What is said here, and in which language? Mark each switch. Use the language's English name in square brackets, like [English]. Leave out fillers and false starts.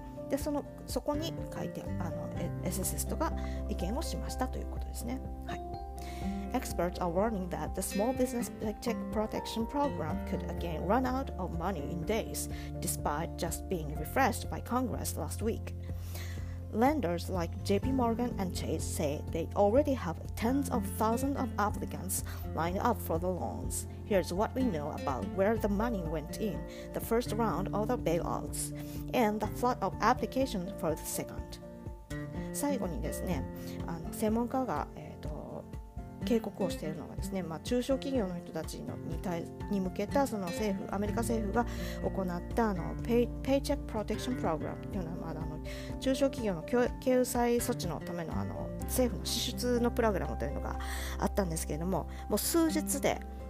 [Japanese] でそこに書いてエセシストが意見をしましたということですね。はい。 [English] Experts are warning that the small business paycheck protection program could again run out of money in days, despite just being refreshed by Congress last week. Lenders like JP Morgan and Chase say they already have tens of thousands of applicants lined up for the loans. Here's what we know about where the money went in the first round of the bailouts and the flood of applications for the second. [Japanese] 最後にですね、専門家が警告をしているのがですね、中小企業の人たちの に向けたその政府、アメリカ政府が行ったペイチェックプロテクションプログラムというのは、中小企業の救済措置のため の政府の支出のプログラムというのがあったんですけれども、もう数日で